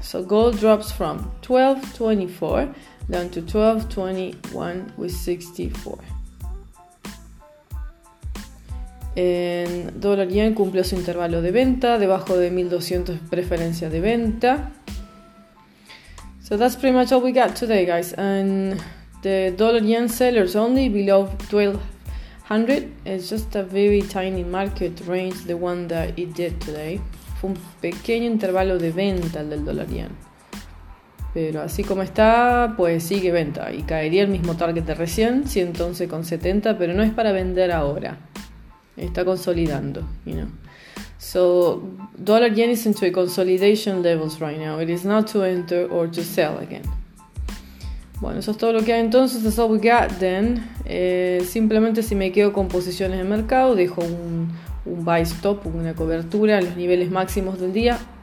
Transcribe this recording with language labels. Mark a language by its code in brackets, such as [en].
[en] So gold drops from 12.24 down to 12.21 with 64. [es] En dólar yen cumplió su intervalo de venta, debajo de 1200 preferencia de venta. [en] So that's pretty much all we got today, guys. And the dollar yen sellers only below 12. 100 is just a very tiny market range, the one that it did today. [es] Fue un pequeño intervalo de venta el del dólar yen. Pero así como está, pues sigue venta y caería el mismo target de recién, 111.70, pero no es para vender ahora. Está consolidando, [en] you know. So, dollar yen is into a consolidation levels right now. It is not to enter or to sell again. [es] Bueno, eso es todo lo que hay entonces, [en] that's all we got then. [es] Simplemente si me quedo con posiciones de mercado, dejo un buy stop, una cobertura en los niveles máximos del día.